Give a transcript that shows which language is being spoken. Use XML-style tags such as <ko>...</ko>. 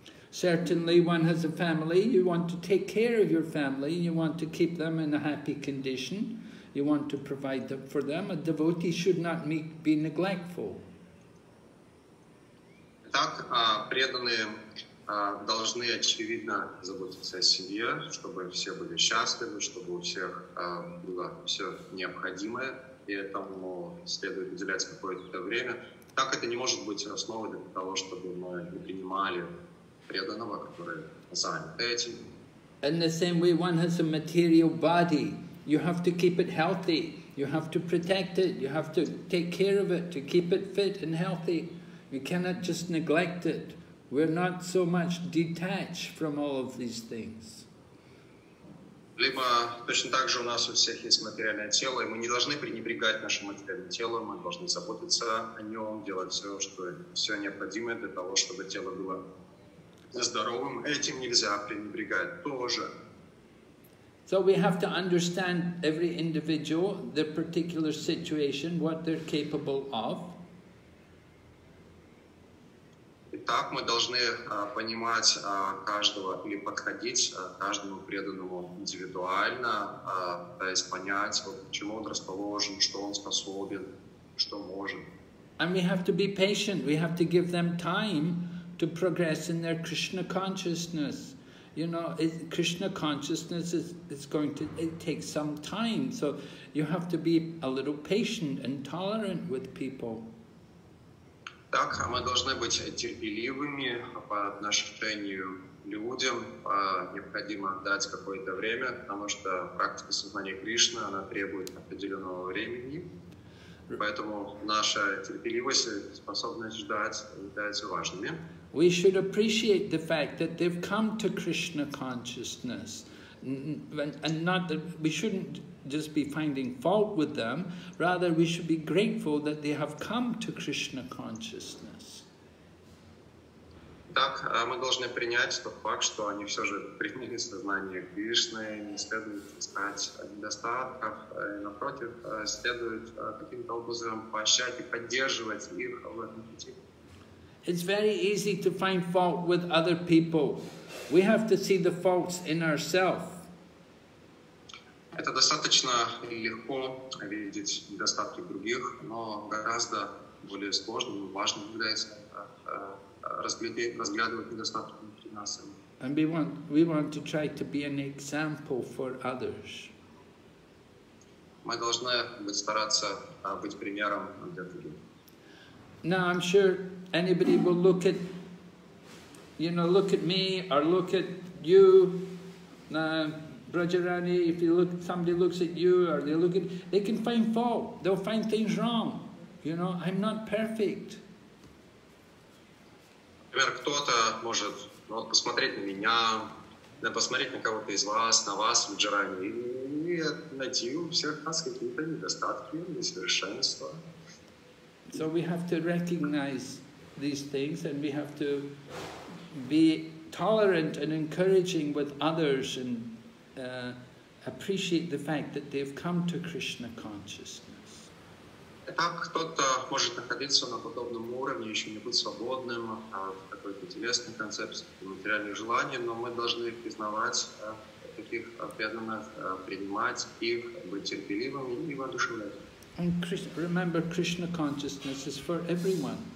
<en>Certainly, one has a family, you want to take care of your family, you want to keep them in a happy condition, you want to provide them for them. A devotee should not be neglectful.</en> <ru>Итак, преданные должны, очевидно, заботиться о семье, чтобы все были счастливы, чтобы у всех было все необходимое, и этому следует уделять какое-то время. Так это не может быть основой для того, чтобы мы не принимали преданного, который занят этим.</ru> <en>In the same way, one has a material body. You have to keep it healthy. You have to protect it. You have to take care of it to keep it fit and healthy. You cannot just neglect it. We're not so much detached from all of these things.</en> <ru>Либо точно так же у нас у всех есть материальное тело, и мы не должны пренебрегать наше материальное тело, мы должны заботиться о нем, делать все необходимое для того, чтобы тело было здоровым. Этим нельзя пренебрегать тоже.</ru> <en>So we have to understand every individual, their particular situation, what they're capable of.</en> <ru>Итак, мы должны понимать каждого или подходить каждому преданному индивидуально, то есть понять, вот, к чему он расположен, что он способен, что может.</ru> <en>And we have to be patient, we have to give them time to progress in their Krishna consciousness. You know, Krishna consciousness it takes some time, so you have to be a little patient and tolerant with people.</en> <ru>Так, мы должны быть терпеливыми по отношению к людям, необходимо дать какое-то время, потому что практика сознания Кришны, она требует определенного времени, поэтому наша терпеливость и способность ждать являются важными.</ru> <en>We should appreciate the fact that they've come to Krishna consciousness, and not that we shouldn't just be finding fault with them, rather we should be grateful that they have come to Krishna consciousness.</en> <ru>Так, мы должны принять тот факт, что они все же приняли сознание Кришны, не следует искать недостатков, напротив, следует каким-то образом поощрять и поддерживать их в этом пути.</ru> <en>It's very easy to find fault with other people. We have to see the faults in ourselves.</en> <ru>Это достаточно легко видеть недостатки других, но гораздо более сложным и важным является разглядывать недостатки внутри нас.</ru> <en>And we want to try to be an example for others.</en> <ru>Мы должны стараться быть примером для других.</ru> <en>Now I'm sure anybody will look at me or look at you. Brajarani, if you look, somebody looks at you or they look at, they can find fault. They'll find things wrong. You know, I'm not perfect.</en> <ru>Например, кто-то может посмотреть на меня, да посмотреть на кого-то из вас, на вас, Брахмани, и найти у всех нас какие-то недостатки, несовершенства.</ru> <en>So we have to recognize these things and we have to be tolerant and encouraging with others and appreciate the fact that they've come to Krishna consciousness.</en> <ru>Итак, кто-то может находиться на подобном уровне, еще не быть свободным от какой-то телесной концепции, материальных желаний, но мы должны признавать таких преданных, принимать их, быть терпеливыми и воодушевлять.</ru> <en>And remember, Krishna consciousness is for everyone.</en>